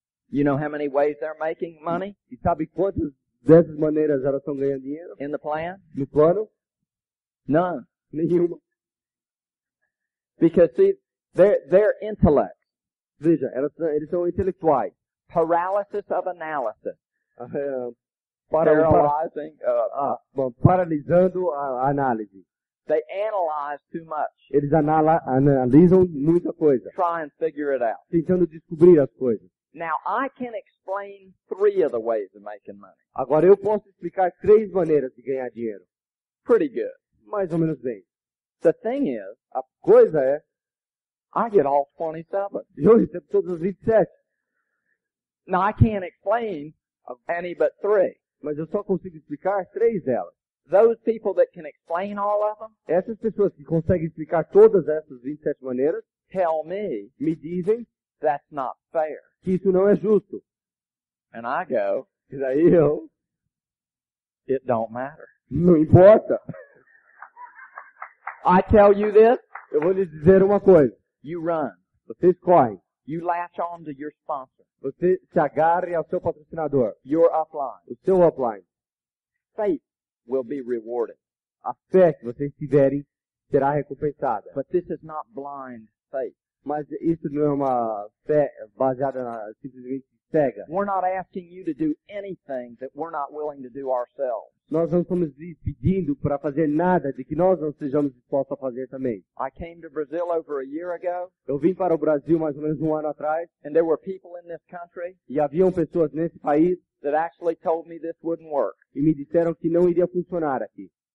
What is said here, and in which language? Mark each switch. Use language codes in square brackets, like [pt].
[en] You know how many ways they're making money? [pt] E sabe quantas dessas maneiras elas estão ganhando dinheiro? [en] In the plan? [pt] No plano? [en] None. [pt] Nenhuma. [en] Because see, their intellect. [pt] Veja, eles são intelectuais. [en] Paralysis of analysis. [pt] Paralisando a análise. [en] They analyze too much. [pt] Eles analisam muita coisa. [en] Try and figure it out. [pt] Tentando descobrir as coisas. [en] Now I can explain three of the ways of making money. [pt] Agora eu posso explicar três maneiras de ganhar dinheiro. [en] Pretty good. [pt] Mais ou menos bem. [en] The thing is, [pt] a coisa é, [en] I get all 27. [pt] Eu recebo todos os 27. [en] Now I can't explain any but three. [pt] Mas eu só consigo explicar três delas. [en] Those people that can explain all of them. [pt] Essas pessoas que conseguem explicar todas essas 27 maneiras. [en] Tell me. [pt] Me dizem. [en] That's not fair. [pt] Que isso não é justo. [en] And I go. [pt] E daí eu. [en] It don't matter. [pt] Não importa. [en] I tell you this. [pt] Eu vou lhe dizer uma coisa. [en] You run. [pt] Vocês correm. [en] You latch on to your sponsor. [pt] Você se agarre ao seu patrocinador. [en] Your upline. [pt] O seu upline. [en] Faith will be rewarded. [pt] A fé que vocês tiverem será recompensada. [en] But this is not blind faith. [pt] Mas isso não é uma fé baseada na simplesmente cega. [en] We're not asking you to do anything that we're not willing to do ourselves. [pt] Nós não estamos pedindo para fazer nada de que nós não sejamos dispostos a fazer também. [en] I came to Brazil over a year ago. [pt] Eu vim para o Brasil mais ou menos um ano atrás. [en] And there were people in this country. [pt] E haviam pessoas nesse país [en] that actually told me this wouldn't work. [pt] E me disseram que não iria funcionar aqui.